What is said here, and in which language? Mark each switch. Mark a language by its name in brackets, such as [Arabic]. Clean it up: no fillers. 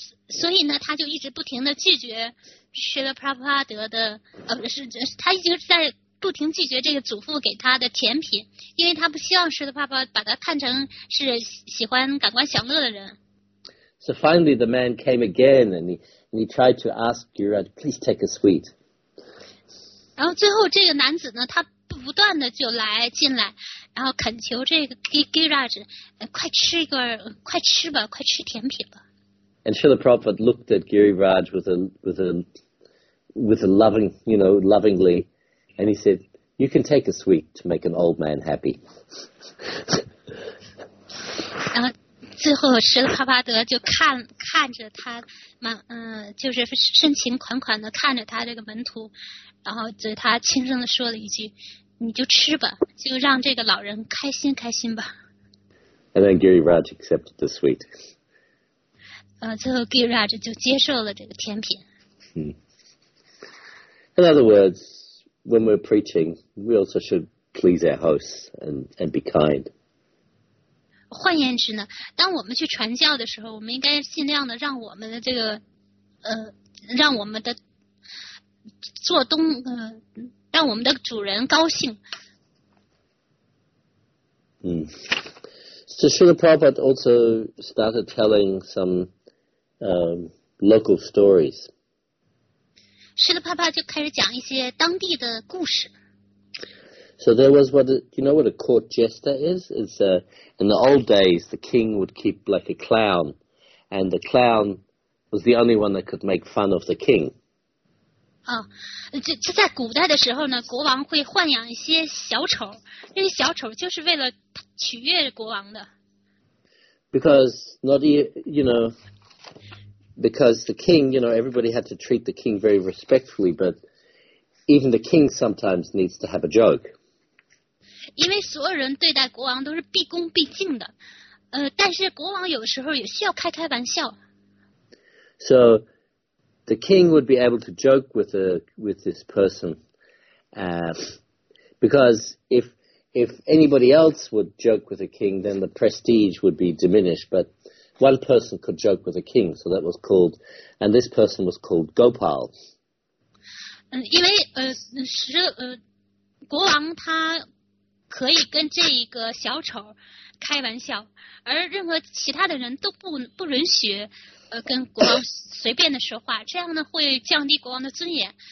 [Chinese] 所以呢，他就一直不停地拒绝Srila Prabhupada的，他一直在不停拒绝这个祖父给他的甜品，因为他不希望Srila Prabhupada把他看成是喜欢感官享乐的人。 [English] So finally, the man came again, and he tried to ask Giriraj, "Please take a sweet." [Chinese] 然后最后这个男子呢，他不断的就来进来，然后恳求这个 Giriraj, "快吃吧，快吃甜品吧。 [English] And Srila Prabhupada looked at Giriraj with a loving, you know, lovingly, and he said, "You can take a sweet to make an old man happy." [Chinese] 然后最后Srila Prabhupada就看着他，就是深情款款的看着他这个门徒，然后对他轻声的说了一句。你就吃吧，就让这个老人开心开心吧。 [English] And then Giri Raj accepted the sweet. [Chinese] 最后 Giri Raj 就接受了这个甜品。 [English] In other words, when we're preaching, we also should please our hosts and be kind. [Chinese] 换言之呢，当我们去传教的时候，我们应该尽量的让我们的这个让我们的做东让我们的主人高兴。 [English] So Srila Prabhupada also started telling some local stories. [Chinese] Srila Prabhupada 就开始讲一些当地的故事。 [English] So there was you know what a court jester is? It's in the old days, the king would keep like a clown, and the clown was the only one that could make fun of the king. [Chinese] 就在古代的时候呢，国王会豢养一些小丑，那些小丑就是为了取悦国王的。 [English] Because not you know, because the king, you know, everybody had to treat the king very respectfully, but even the king sometimes needs to have a joke. [Chinese] 因为所有人对待国王都是毕恭毕敬的，但是国王有时候也需要开开玩笑。 [English] So, the king would be able to joke with this person, because if anybody else would joke with the king, then the prestige would be diminished. But one person could joke with the king, so that was called, and this person was called Gopal. [Chinese] 因为国王他。可以跟这一个小丑开玩笑，而任何其他的人都不允许，跟国王随便的说话，这样呢会降低国王的尊严。